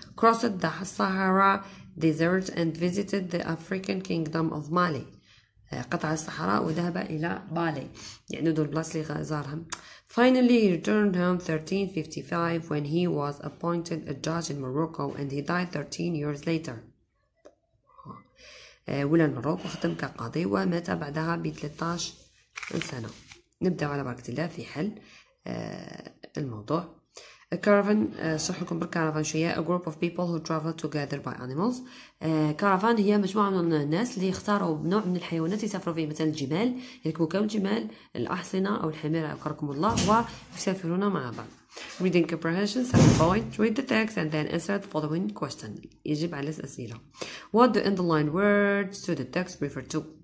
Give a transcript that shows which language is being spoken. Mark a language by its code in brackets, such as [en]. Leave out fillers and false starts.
[en] crossed the Sahara desert and visited the African kingdom of Mali. [ar] قطع الصحراء وذهب الى مالي يعني دول البلاصه اللي زارهم. [en] Finally, he returned home 1355 when he was appointed a judge in Morocco and he died 13 years later. [ar] ولا المغرب وخدم كقاضي ومات بعدها ب 13 سنة. نبدأ على بركة الله في حل الموضوع. [en] A caravan, [ar] شرح لكم بالكارافان شوية. [en] A group of people who travel together by animals. [ar] كارافان هي مجموعة من الناس اللي يختاروا نوع من الحيوانات يسافروا فيه، مثلا الجمال يركبوا كم جمال، الأحصنة أو الحمير أذكركم الله، ويسافرون مع بعض. [en] Reading comprehension 7 points. Read the text and then answer the following question. [ar] يجب على الأسئلة. [en] What do underlined words to the text refer to?